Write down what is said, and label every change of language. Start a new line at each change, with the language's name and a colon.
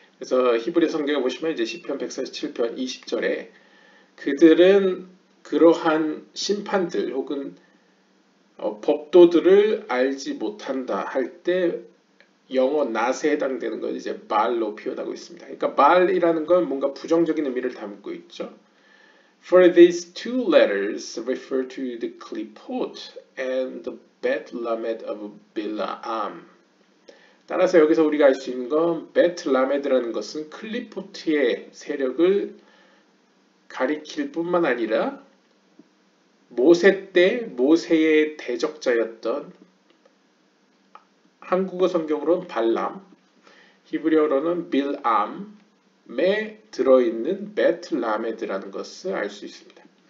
Korean: 그래서 히브리어 성경을 보시면 이제 시편 147편 20절에 그들은 그러한 심판들 혹은 법도들을 알지 못한다 할 때 영어 낫에 해당되는 건 이제 말로 표현하고 있습니다. 그러니까 말이라는 건 뭔가 부정적인 의미를 담고 있죠.
English: For these two letters refer to the Klipot and the Bet Lamed of Bilaam.
Korean: 따라서 여기서 우리가 알 수 있는 건 Bet Lamed라는 것은 클리포트의 세력을 가리킬 뿐만 아니라 모세 때 모세의 대적자였던 한국어 성경으로는 발람, 히브리어로는 빌암에 들어있는 베트라메드라는 것을 알 수 있습니다.